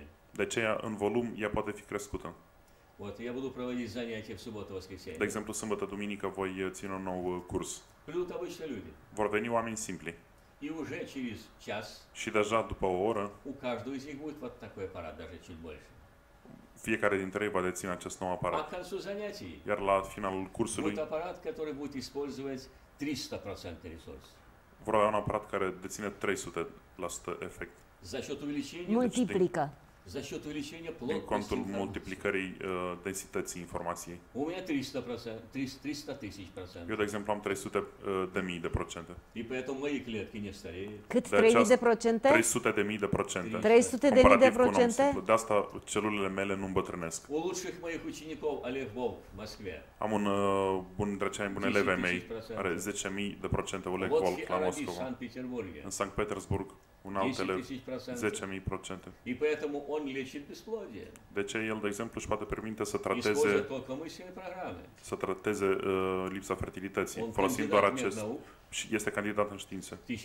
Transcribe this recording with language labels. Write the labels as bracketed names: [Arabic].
[Romanian] De aceea, în volum, ea poate fi crescută. [Russian] Вот я буду проводить занятия в субботу, воскресенье. [Romanian] De exemplu, sâmbătă, duminică voi ține un nou curs. [Russian] Придут обычные люди. [Romanian] Vor veni oameni simpli. [Russian] И уже через час. [Romanian] Și deja după o oră. [Russian] У каждого из них будет вот такой аппарат, даже чуть больше. [Romanian] Fiecare dintre ei va deține acest nou aparat. [Russian] А к концу занятий. [Romanian] Iar la finalul cursului. [Russian] Будет аппарат, который будет использовать 300% ресурс. [Romanian] Vor avea un aparat care deține 300% efect. [Russian] За счет увеличения. [Romanian] Multiplică. [Russian] За счёт увеличения плотности. [Romanian] Din contul multiplicării densității informației. [Russian] У меня 300%. [Romanian] Eu, de exemplu, am 300.000%. [Russian] И поэтому мои клетки не стареют. [Romanian] Cât 3000%? 300.000%. 300.000%? De asta celulele mele nu îmbătrânesc. [Russian] У лучших моих учеников Олег Волк в Москве. [Romanian] Am un bun dintre cei mai buni elevi ai mei. Are 10.000% Олег Волк la Moscova. În Sankt Petersburg. Un altele 10.000%. [Russian] И поэтому он лечит бесплодие. [Romanian] De ce el, de exemplu, își poate permite să trateze lipsa fertilității, folosind doar acest. Și este candidat în știință.